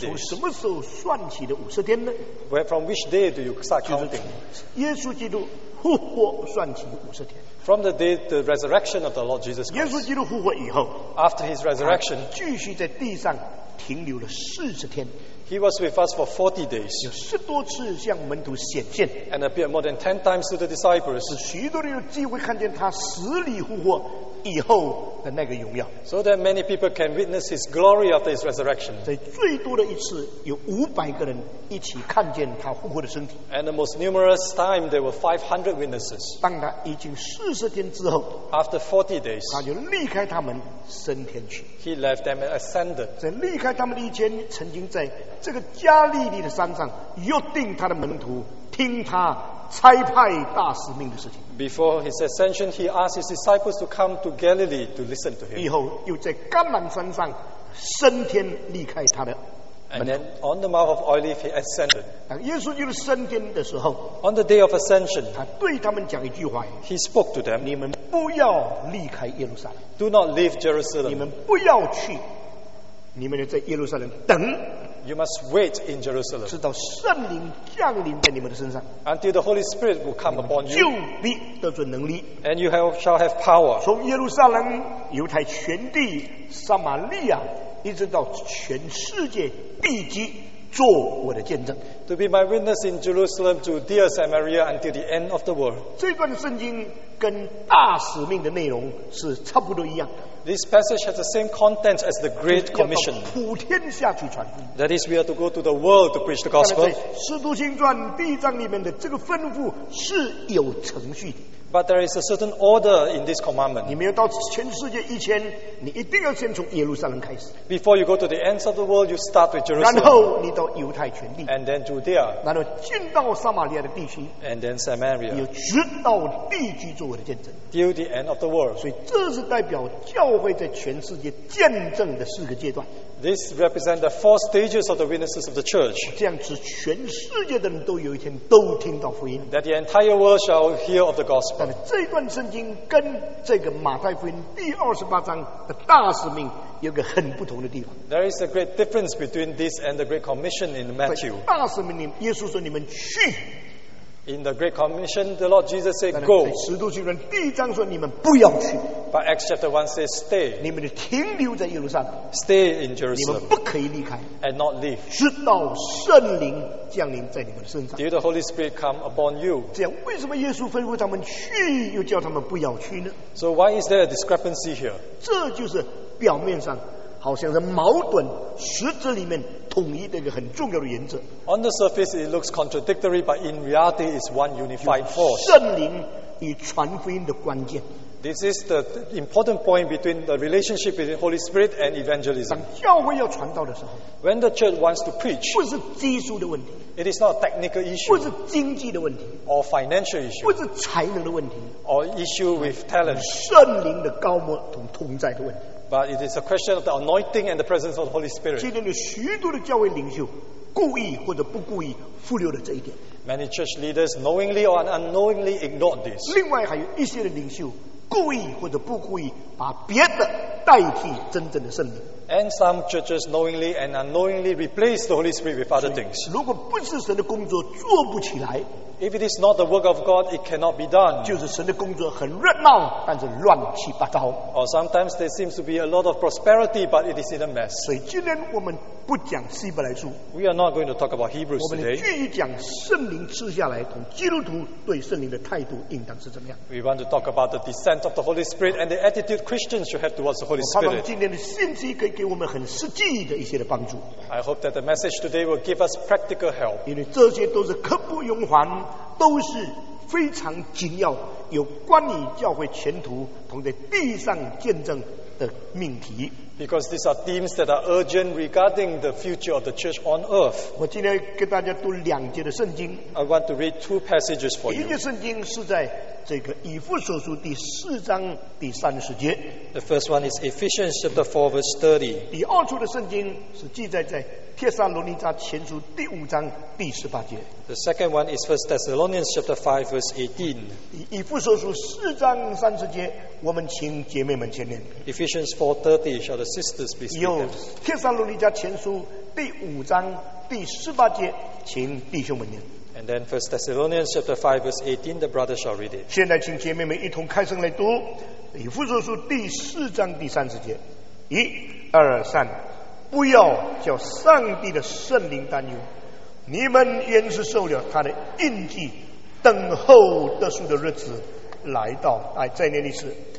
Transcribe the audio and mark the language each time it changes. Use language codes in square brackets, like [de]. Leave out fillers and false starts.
[zh] 从什么时候算起的五十天呢？ [en] Where, from which day do you start counting? [zh] 耶稣基督复活算起五十天。 [en] From the day the resurrection of the Lord Jesus Christ. [zh] 耶稣基督复活以后， [en] after his resurrection, [zh] 继续在地上停留了四十天。 [en] He was with us for 40 days. [zh] 有十多次向门徒显现。 [en] And appeared more than 10 times to the disciples. [zh] 使许多人有机会看见他死里复活以后的那个荣耀。 [en] So that many people can witness his glory after his resurrection. [zh] 在最多的一次有500个人一起看见他复活的身体。 [en] And the most numerous time there were 500 witnesses. [zh] 当他已经四十天之后， [en] after 40 days, [zh] 他就离开他们升天去。 [en] He left them and ascended. [zh] 在离开他们以前，曾经在这个加利利的山上约定他的门徒听他差派大使命的事情。 [en] Before his ascension, he asked his disciples to come to Galilee to listen to him. [zh] 以后又在橄榄山上升天离开他的门徒。 [en] And then on the Mount of Olives, he ascended. [zh] 当耶稣基督升天的时候， [en] on the day of ascension, [zh] 他对他们讲一句话， [en] he spoke to them, [zh] 你们不要离开耶路撒冷， [en] do not leave Jerusalem, [zh] 你们不要去，你们在耶路撒冷等。 [en] You must wait in Jerusalem. [zh] 直到圣灵降临在你们的身上。 [en] Until the Holy Spirit will come upon you. [zh] 就必得准能力。 [en] And you have, shall have power. [zh] 从耶路撒冷、犹太全地、撒玛利亚，一直到全世界地极，做我的见证。 [en] To be my witness in Jerusalem, Judea, Samaria, until the end of the world. [zh] 这段圣经跟大使命的内容是差不多一样的。 [en] This passage has the same content as the Great Commission. [zh] 要到普天下去传福音。 [en] That is, we are to go to the world to preach the gospel. [zh] 在《使徒行传》第一章里面的这个吩咐是有程序的。 [en] But there is a certain order in this commandment. [zh] 你们要到全世界以前，你一定要先从耶路撒冷开始。 [en] Before you go to the ends of the world, you start with Jerusalem. [zh] 然后你到犹太全地。 [en] And then Judea. [zh] 然后进到撒玛利亚的地区。 [en] And then Samaria. [zh] 又直到地居作为的见证。 [en] Till the end of the world. [zh] 所以这是代表教会在全世界见证的四个阶段。 [en] This represents the four stages of the witnesses of the church. [zh] 这样子全世界的人都有一天都听到福音。 [en] That the entire world shall hear of the gospel. [zh] 但是这段圣经跟这个马太福音第二十八章的大使命有个很不同的地方。 [en] There is a great difference between this and the Great Commission in Matthew. [zh] 大使命里面，耶稣说你们去。 [en] In the Great Commission, the Lord Jesus said, "Go." [zh] 使徒行传第一章说你们不要去。 [en] But Acts chapter 1 says, "Stay." [zh] 你们停留在耶路撒冷。 [en] Stay in Jerusalem. [zh] 你们不可以离开。 [en] And not leave. [zh] 直到圣灵降临在你们的身上。 [en] Till the Holy Spirit come upon you. [zh] 这样为什么耶稣吩咐他们去，又叫他们不要去呢？ [en] So why is there a discrepancy here? [zh] 这就是表面上好像是矛盾，实质里面统一的一个很重要的原则。 [en] On the surface it looks contradictory, but in reality it's one unified force. [zh] 圣灵与传福音的关键。 [en] This is the important point between the relationship between Holy Spirit and evangelism. [zh] 当教会要传道的时候， [en] when the church wants to preach, [zh] 不是技术的问题， [en] it is not a technical issue, [zh] 不是经济的问题， [en] or financial issue, [zh] 不是才能的问题， [en] or issue with talent, [zh] 圣灵的高摩同同在的问题。 [en] But it is a question of the anointing and the presence of the Holy Spirit. [zh] 今天有许多的教会领袖故意或者不故意忽略了这一点。 [en] Many church leaders knowingly or unknowingly ignore this. [zh] 另外还有一些的领袖故意或者不故意把别的代替真正的圣灵。 [en] And some churches knowingly and unknowingly replace the Holy Spirit with other things. [zh] 如果不是神的工作做不起来。 [en] If it is not the work of God, it cannot be done. [zh] 就是神的工作很热闹，但是乱七八糟。 [en] Or sometimes there seems to be a lot of prosperity, but it is in a mess. [zh] 所以今天我们不讲希伯来书。 [en] We are not going to talk about Hebrews today. [zh] 我们继续讲圣灵赐下来，同基督徒对圣灵的态度应当是怎么样。 [en] We want to talk about the descent of the Holy Spirit and the attitude Christians should have towards the Holy Spirit. [zh] 我盼望今天的信息可以给我们很实际的一些的帮助。 [en] I hope that the message today will give us practical help. [zh] 因为这些都是刻不容缓。都是非常紧要，有关于教会前途同在地上见证的命题。 [en] Because these are themes that are urgent regarding the future of the church on earth. [zh] 我今天跟大家读两节的圣经。 [en] I want to read two passages for you. [zh] 第一节圣经是在这个以弗所书第四章第三十节。 [en] The first one is Ephesians chapter 4 verse 30. [zh] 第二处的圣经是记载在帖撒罗尼迦前书第五章第十八节。 [en] The second one is 1 Thessalonians chapter 5 verse 18. [zh] 以弗所书四章三十节，我们请姐妹们前面。 [en] Ephesians 4:30, shall the sisters please read them? [zh] 有帖撒罗尼迦前书第五章第十八节，请弟兄们念。 [en] And then 1 Thessalonians chapter 5 verse 18, the brother shall read it. [zh] 现在请姐妹们一同开声来读以弗所书第四章第三十节。一、二、三。不要叫上帝的圣灵担忧，你们原是受了他的印记，等候得赎的日子来到。哎，再念一次。